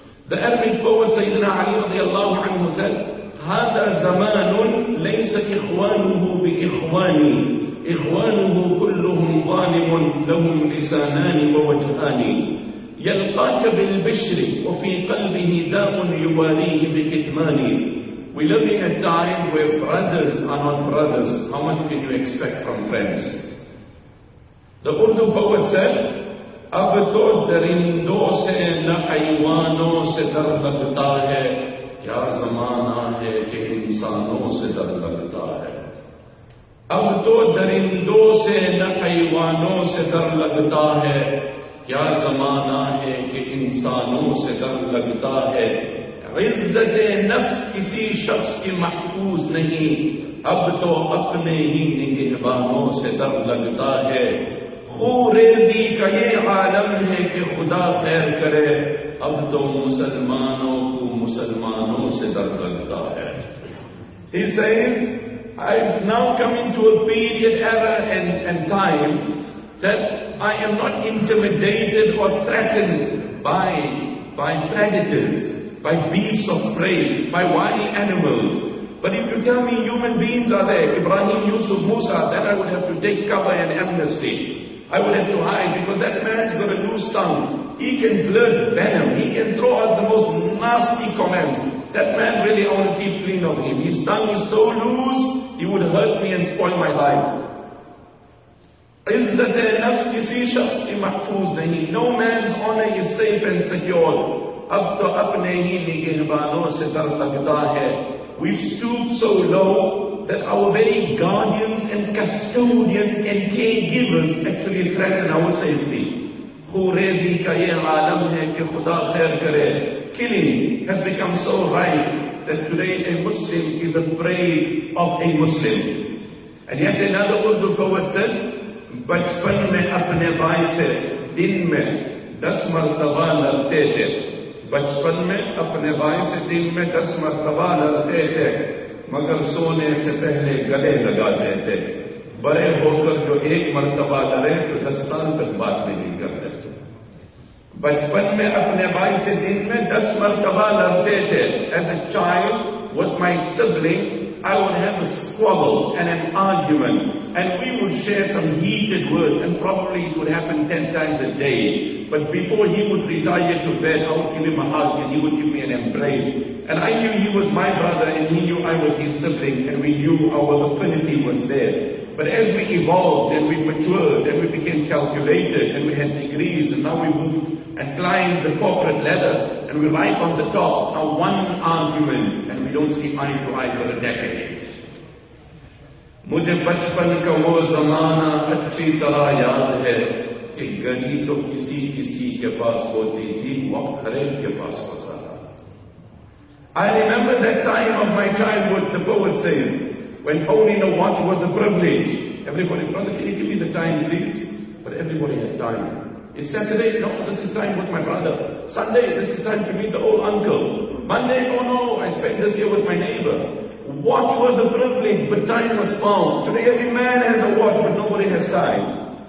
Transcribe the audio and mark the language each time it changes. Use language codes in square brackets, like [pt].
[en] The Arabic poet Sayyidina Ali radiallahu anhu said, [ar] هذا زمان ليس إخوانه بإخواني إخوانه كلهم ظالم لهم لسانان ووجهان يلقاك بالبشر وفي قلبه داء يواريه بكتمان. [en] We live in a time where brothers are not brothers. How much can you expect from friends? The Urdu poet said, [ur] اب تو درندوں سے نہ حیوانوں سے در لگتا ہے کیا زمانہ ہے کہ انسانوں سے در لگتا ہے اب تو درندوں سے نہ حیوانوں سے در لگتا ہے کیا زمانہ ہے کہ انسانوں سے در لگتا ہے عزت نفس کسی شخص کی محفوظ نہیں اب تو اپنے ہی نگہبانوں سے در لگتا ہے خوریزی کا یہ عالم ہے کہ خدا خیر کرے اب تو مسلمانوں کو مسلمانوں سے در لگتا ہے [en] He says, I've now come into a period, era and time that I am not intimidated or threatened by predators, by beasts of prey, by wild animals. But if you tell me human beings are there, Ibrahim, Yusuf, Musa, then I would have to take cover and amnesty. I would have to hide because that man's got a loose tongue. He can blurt venom. He can throw out the most nasty comments. That man really, I want to keep clean of him. His tongue is so loose, he would hurt me and spoil my life. [ur] عزت نفس کسی شخص کی محفوظ نہیں. [en] No man's honor is safe and secure. [ur] اب تو اپنے ہی نگہبانوں سے در لگتا ہے. [en] We've stooped so low that our very guardians and custodians and caregivers actually threaten our safety. [ur] خوریزی کا یہ عالم ہے کہ خدا خیر کرے. [en] Killing has become so rife that today a Muslim is afraid of a Muslim. And yet another Urdu poet said, [ur] بچپن میں اپنے بھائی سے دن میں 10 مرتبہ لڑتے تھے بچپن میں اپنے بھائی سے دن میں 10 مرتبہ لڑتے تھے مگر سونے سے پہلے گلے لگا دیتے بڑے ہو کر جو ایک مرتبہ لڑے تو 10 سال تک بات نہیں کرتے بچپن میں اپنے بھائی سے دن میں 10 مرتبہ لڑتے تھے [en] As a child with my sibling I would have a squabble and an argument and we would share some heated words and probably it would happen 10 times a day. But before he would retire to bed, I would give him a hug and he would give me an embrace. And I knew he was my brother and he knew I was his sibling and we knew our affinity was there. But as we evolved and we matured and we became calculated and we had degrees and now we moved and climbed the corporate ladder and we're right on the top. Now one argument and we don't see eye to eye for a decade. [ur] مجھے بچپن کا وہ زمانہ اچھی طرح یاد ہے کہ گلی تو کسی کسی کے پاس ہوتی تھی وقت خرید کے پاس ہوتا تھا [en] I remember that time of my childhood, the poet says, when holding a watch was a privilege. Everybody, brother, can you give me the time, please? But everybody had time. It's Saturday, no, this is time with my brother. Sunday, this is time to meet the old uncle. Monday, oh no, I spent this year with my neighbor. Watch was a privilege, but time was found. Today every man has a watch, but nobody has time.